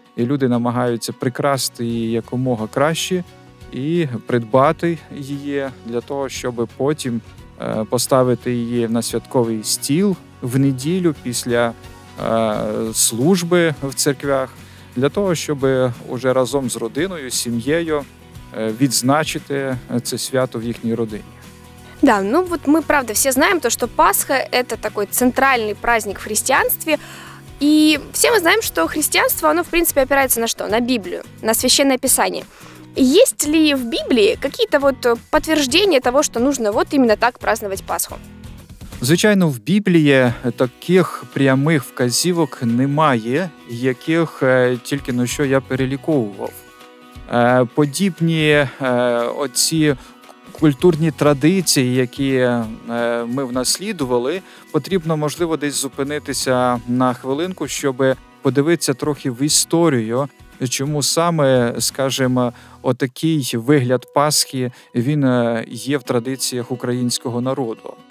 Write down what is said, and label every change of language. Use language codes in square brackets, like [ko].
[uk] І люди намагаються прикрасти її якомога краще і придбати її для того, щоб потім поставити її на святковий стіл в неділю після служби в церквях, для того, щоб уже разом з родиною, сім'єю відзначити це свято в їхній родині. [ru] Да, ну вот мы правда все знаем то, что Пасха это такой центральный праздник в христианстве. И все мы знаем, что христианство, оно в принципе опирается на что? На Библию, на Священное Писание. Есть ли в Библии какие-то вот подтверждения того, что нужно вот именно так праздновать Пасху? [uk] Звичайно, в Біблії таких прямих вказівок немає, яких тільки на що я переліковував. Подібні оці культурні традиції, які ми внаслідували, потрібно, можливо, десь зупинитися на хвилинку, щоб подивитися трохи в історію, чому саме, скажімо, отакий вигляд Пасхи, він є в традиціях українського народу.